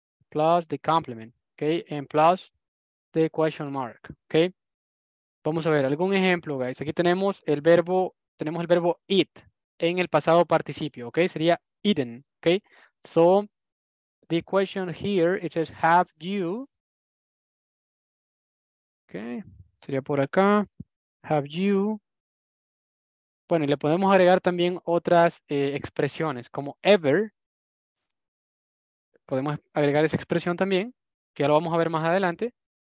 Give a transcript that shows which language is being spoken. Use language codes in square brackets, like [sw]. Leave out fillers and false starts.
[en] Plus the complement, okay, and plus the question mark, okay. [es] Vamos a ver algún ejemplo, guys. Aquí tenemos el verbo eat en el pasado participio, okay. Sería eaten, okay. [en] So the question here it says have you, okay. [es] Sería por acá [en] have you. [es] Bueno, y le podemos agregar también otras expresiones como ever. Podemos agregar esa expresión también, que ya lo vamos a ver más adelante.